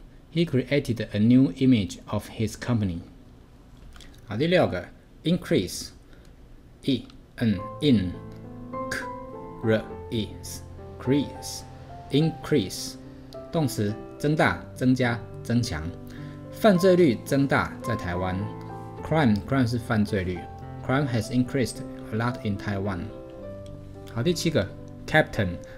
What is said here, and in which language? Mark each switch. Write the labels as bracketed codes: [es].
[en] He created a new image of his company. [zh] 好，第六个 increase 动词增大、增加、增强。犯罪率增大在台湾 ，crime 是犯罪率 ， [en] crime has increased a lot in Taiwan. [zh] 好，第七个 captain。